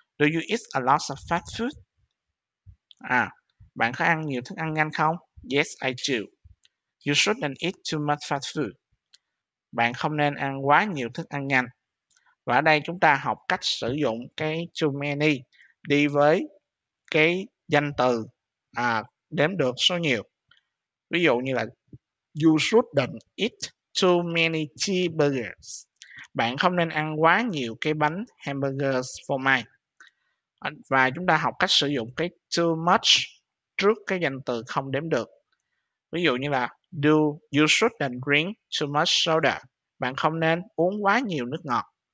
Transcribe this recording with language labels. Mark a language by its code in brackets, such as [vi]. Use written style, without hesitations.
[en] Do you eat a lot of fast food? [vi] Bạn có ăn nhiều thức ăn nhanh không? [en] Yes, I do. You shouldn't eat too much fast food. [vi] Bạn không nên ăn quá nhiều thức ăn nhanh. Và ở đây chúng ta học cách sử dụng cái too many đi với cái danh từ đếm được số nhiều. Ví dụ như là [en] you shouldn't eat too many cheeseburgers. [vi] Bạn không nên ăn quá nhiều cái bánh hamburgers phô mai. Và chúng ta học cách sử dụng cái too much trước cái danh từ không đếm được. Ví dụ như là [en] you shouldn't drink too much soda. [vi] Bạn không nên uống quá nhiều nước ngọt.